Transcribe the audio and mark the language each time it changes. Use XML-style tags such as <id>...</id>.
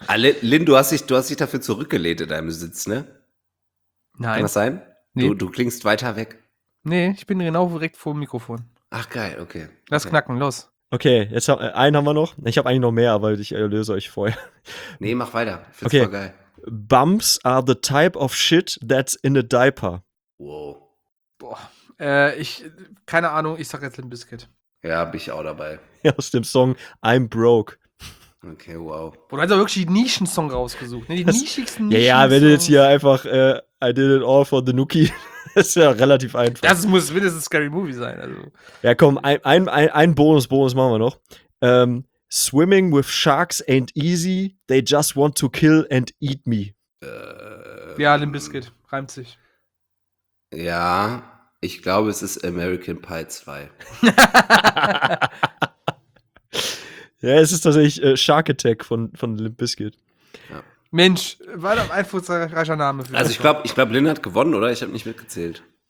<de>Ah, Lin, du hast dich dafür zurückgelehnt in deinem Sitz, ne? Nein. Kann das sein? Nee. Du klingst weiter weg. Nee, ich bin genau direkt vor dem Mikrofon. Ach geil, okay. Lass knacken, los. Okay, jetzt einen haben wir noch. Ich habe eigentlich noch mehr, aber ich erlöse euch vorher. Nee, mach weiter. Find's okay. Voll geil.</de> <en>Bumps are the type of shit that's in a diaper.</en> <de>Wow. Boah. Keine Ahnung, ich sag jetzt Limp Bizkit. Ja, bin ich auch dabei. Aus dem Song I'm Broke. Okay, wow. Boah, du hast aber wirklich die Nischensong rausgesucht. Ne? Die das, nischigsten Nischen. Ja, wenn du jetzt hier einfach I did it all for the Nookie. Das ist ja relativ einfach. Das muss mindestens Scary Movie sein. Also. Ja, komm, ein Bonus machen wir noch.</de> <en>Swimming with sharks ain't easy. They just want to kill and eat me.</en> <de>Ja, Limp Bizkit. Reimt sich. Ja, ich glaube, es ist American Pie 2. Ja, es ist tatsächlich Shark Attack von Limp Bizkit. Ja. Mensch, war doch ein einflussreicher Name. Für also ich glaube, Lin hat gewonnen, oder? Ich habe nicht mitgezählt.</de>